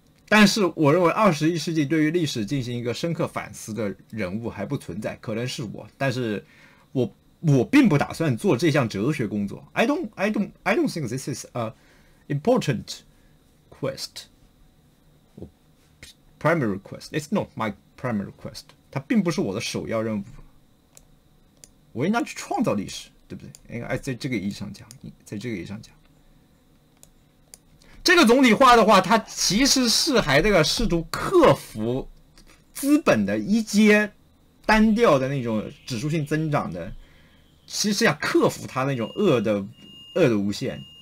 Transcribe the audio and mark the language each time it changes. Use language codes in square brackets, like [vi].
[zh] 但是，我认为21世纪对于历史进行一个深刻反思的人物还不存在，可能是我，但是我并不打算做这项哲学工作。 [en] I don't think this is a important quest. Primary quest. It's not my primary quest. [zh] 它并不是我的首要任务。我应该去创造历史，对不对？应该在这个意义上讲，在这个意义上讲。这个总体化的话，它其实是还这个试图克服资本的一阶单调的那种指数性增长的，其实要克服它那种恶的无限。